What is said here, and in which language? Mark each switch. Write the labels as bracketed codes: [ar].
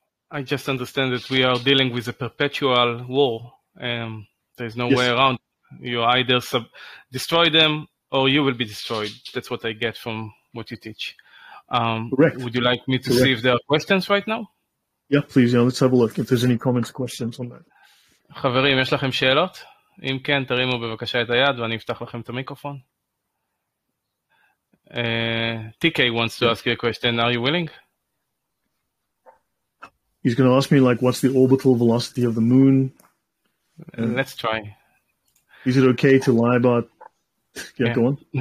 [en] I just understand that we are dealing with a perpetual war. There's no way around. You either destroy them or you will be destroyed. That's what I get from what you teach. Correct. Would you like me to see if there are questions right now? Yeah, please. Yeah, let's have a look if there's any comments, questions on that. [he] חברים, יש לכם שאלות? אם כן, תרימו בבקשה את היד ואני אפתח לכם את המיקרופון. [en] TK wants to ask you a question. Are you willing? He's going to ask me, like, what's the orbital velocity of the moon? Let's try. Is it okay to lie about... Yeah, go on.